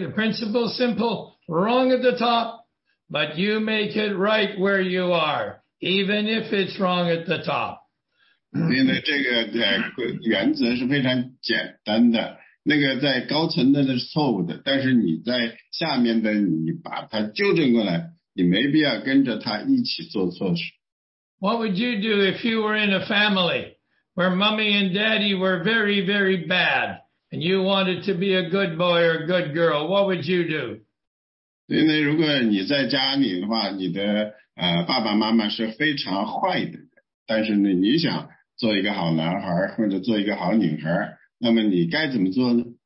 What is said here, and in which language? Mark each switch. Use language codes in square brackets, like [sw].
[en] the principle simple, wrong at the top, but you make it right where you are, even if it's wrong at the top. [zh] 因为这个原则是非常简单的，那个在高层的是错误的，但是你在下面的你把它纠正过来，你没必要跟着他一起做错事。What [en] would you do if you were in a family where mommy and daddy were very, very bad and you wanted to be a good boy or a good girl? What would you do? [zh] 因为如果你在家里的话，你的爸爸妈妈是非常坏的，但是呢，你想。做一个好男孩，或者做一个好女孩，那么你该怎么做呢？